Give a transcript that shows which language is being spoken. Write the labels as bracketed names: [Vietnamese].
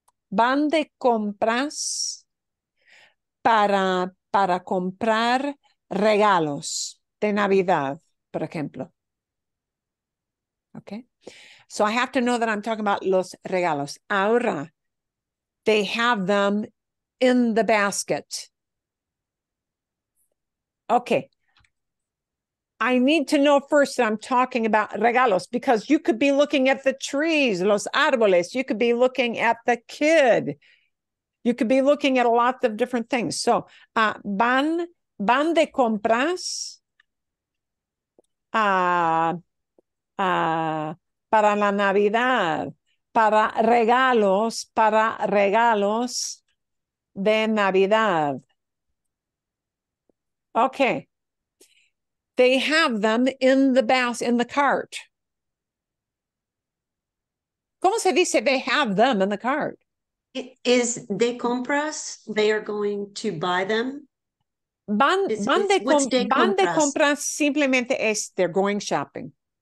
[Spanish] Van de compras para comprar regalos de Navidad, por ejemplo. [English] Okay. So I have to know that I'm talking about los regalos. Ahora, they have them in the basket. Okay. I need to know first that I'm talking about regalos because you could be looking at the trees, los árboles. You could be looking at the kid. You could be looking at a lot of different things. [Spanish] So, van de compras para la Navidad, para regalos de Navidad. [English] Okay. They have them in the basket, in the cart. [Spanish] ¿Cómo se dice [English] they have them in the cart? Is de compras, they are going to buy them? [Spanish] Van de compras simplemente es [English] they're going shopping.